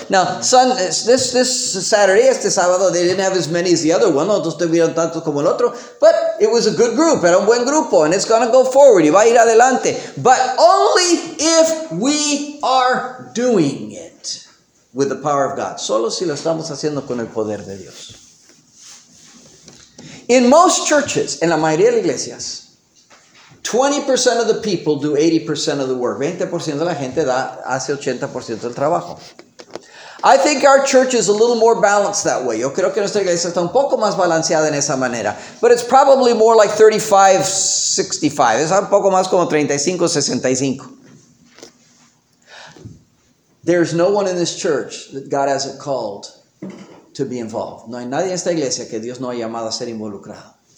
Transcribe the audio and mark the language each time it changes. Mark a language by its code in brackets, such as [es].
[en] Now, son, this Saturday, [es] este sábado, [en] they didn't have as many as the other one, [es] no tuvieron tantos como el otro, [en] but it was a good group, [es] era un buen grupo, [en] and it's going to go forward, [es] y va a ir adelante. [en] But only if we are doing it with the power of God. [es] Solo si lo estamos haciendo con el poder de Dios. [en] In most churches, [es] en la mayoría de las iglesias, [en] 20% of the people do 80% of the work. [es] 20% de la gente hace 80% del trabajo. [en] I think our church is a little more balanced that way. [es] Yo creo que nuestra iglesia está un poco más balanceada en esa manera. [en] But it's probably more like 35-65. [es] Es un poco más como 35-65. [en] There's no one in this church that God hasn't called to be involved. [es] No hay nadie en esta iglesia que Dios no haya llamado a ser involucrado.